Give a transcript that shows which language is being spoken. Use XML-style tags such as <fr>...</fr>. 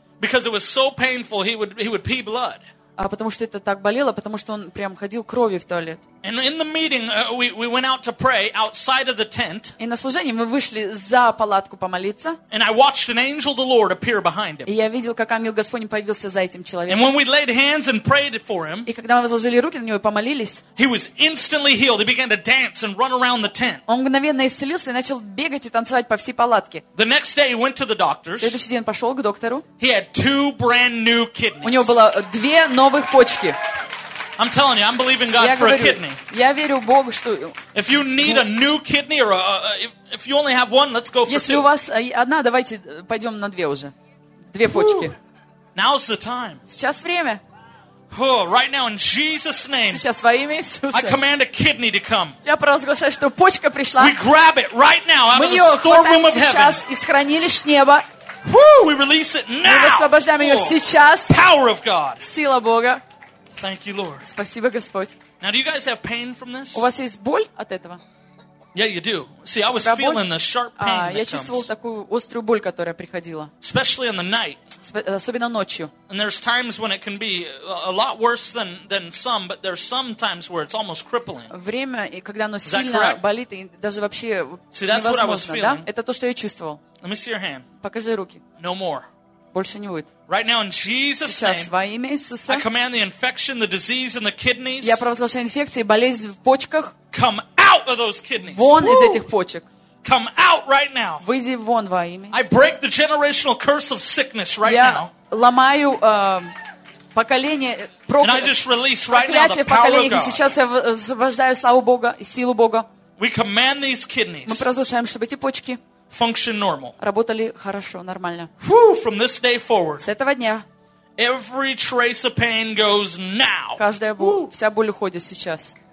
<en>Because it was so painful, he would pee blood.</en> <ru>А потому что это так болело, потому что он прям ходил кровью в туалет.</ru> <en>And in the meeting, we went out to pray outside of the tent.</en> <ru>И на служении мы вышли за палатку помолиться.</ru> <en>And I watched an angel of the Lord appear behind him.</en> <ru>И я видел, как ангел Господень появился за этим человеком.</ru> <en>And when we laid hands and prayed for him,</en> <ru>и когда мы возложили руки на него и помолились,</ru> <en>he was instantly healed. He began to dance and run around the tent.</en> <ru>Он мгновенно исцелился и начал бегать и танцевать по всей палатке.</ru> <en>The next day, he went to the doctors.</en> <ru>Следующий день пошел к доктору.</ru> <en>He had two brand new kidneys.</en> <ru>У него было две новых почки.</ru> <en>I'm telling you, I'm believing God for a kidney.</en> <ru>Я верю Богу, что.</ru> <en>If you need a new kidney or if you only have one, let's go for two.</en> <ru>Если у вас одна, давайте пойдем на две уже, две почки.</ru> <en>Now's the time.</en> <ru>Сейчас время.</ru> <en>Right now, in Jesus' name.</en> <ru>Сейчас во имя Иисуса.</ru> <en>I command a kidney to come.</en> <ru>Я провозглашаю, что почка пришла.</ru> <en>We grab it right now out of the storeroom of heaven.</en> <ru>Мы ее хватаем сейчас из хранилищ неба.</ru> <en>We release it now.</en> <ru>Мы освобождаем ее сейчас.</ru> <en>Power of God.</en> <ru>Сила Бога.</ru> <en>Thank you, Lord.</en> <ru>Спасибо, Господь.</ru> <en>Now, do you guys have pain from this?</en> <ru>У вас есть боль от этого?</ru> <en>Yeah, you do. See, I was feeling the sharp pain.</en> <ru>Я чувствовал такую острую боль, которая приходила.</ru> <en>Especially in the night.</en> <ru>Особенно ночью.</ru> <en>And there's times when it can be a lot worse than some, but there's some times where it's almost crippling.</en> <ru>Время и когда оно сильно болит и даже вообще невозможно, да? Это то, что я чувствовал.</ru> <en>Let me see your hand.</en> <ru>Покажи руки.</ru> <en>No more.</en> <ru>Больше не будет.</ru> <en>Right now in Jesus'</en> <ru>сейчас,</ru> <en>name,</en> <ru>во имя Иисуса,</ru> <en>I command the infection, the disease in the kidneys.</en> <ru>Я провозглашаю инфекцию, болезнь в почках.</ru> <en>Come out of those kidneys.</en> <ru>Вон из этих почек.</ru> <en>Come out right now.</en> <ru>Выйди вон во имя.</ru> <en>I break the generational curse of sickness right</en> <ru>я</ru> <en>now.</en> <ru>Я ломаю поколение проклятие.</ru> <en>And I just release right now the power of God.</en> <ru>Сейчас я освобождаю славу Бога и силу Бога.</ru> <en>We command these kidneys.</en> <ru>Мы провозглашаем, чтобы эти почки</ru> <en>function normal.</en> <ru>Работали хорошо, нормально.</ru> <en>Whew, from this day forward.</en> <ru>С этого дня.</ru> <en>Every trace of pain goes now.</en> <ru>Каждая боль, вся боль уходит сейчас.</ru>